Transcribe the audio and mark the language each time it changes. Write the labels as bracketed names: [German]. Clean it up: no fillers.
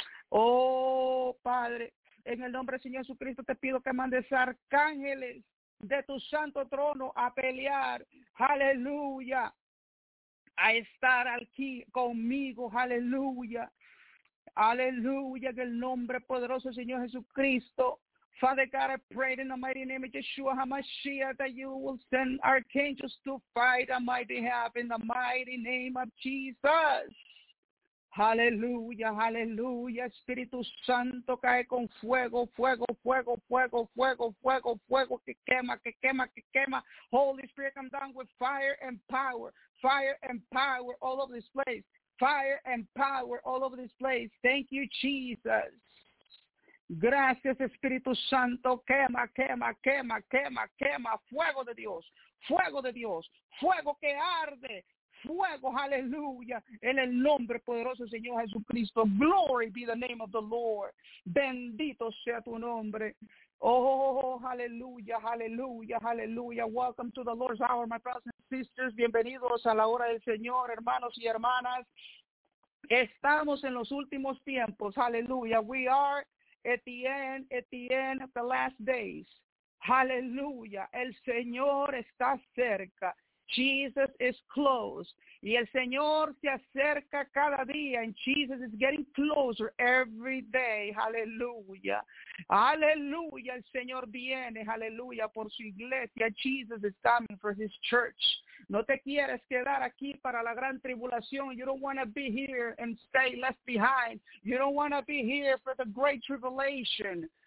[Spanish] Oh, Padre, en el nombre del Señor Jesucristo te pido que mandes arcángeles de tu santo trono a pelear. Aleluya. A estar aquí conmigo. Aleluya. Aleluya. En el nombre poderoso del Señor Jesucristo. [English] Father God, I pray in the mighty name of Yeshua HaMashiach that you will send archangels to fight on my behalf in the mighty name of Jesus. [Spanish] Aleluya, aleluya, Espíritu Santo, cae con fuego, fuego, fuego, fuego, fuego, fuego, fuego, que quema, que quema, que quema. [English] Holy Spirit, come down with fire and power all over this place, fire and power all over this place. Thank you, Jesus. [Spanish] Gracias, Espíritu Santo, quema, quema, quema, quema, quema, fuego de Dios, fuego de Dios, fuego que arde. Fuego, aleluya, en el nombre poderoso Señor Jesucristo. [English] Glory be the name of the Lord. [Spanish] Bendito sea tu nombre. Oh, aleluya, aleluya, aleluya. [English] Welcome to the Lord's hour, my brothers and sisters. [Spanish] Bienvenidos a la hora del Señor, hermanos y hermanas. Estamos en los últimos tiempos, aleluya. [English] We are at the end of the last days. [Spanish] Aleluya, el Señor está cerca. [English] Jesus is close. [Spanish] Y el Señor se acerca cada día. [English] And Jesus is getting closer every day. Hallelujah. Hallelujah. [Spanish] El Señor viene. [English] Hallelujah. [Spanish] Por su iglesia. [English] Jesus is coming for his church. [Spanish] No te quieres quedar aquí para la gran tribulación. [English] You don't want to be here and stay left behind. You don't want to be here for the great tribulation.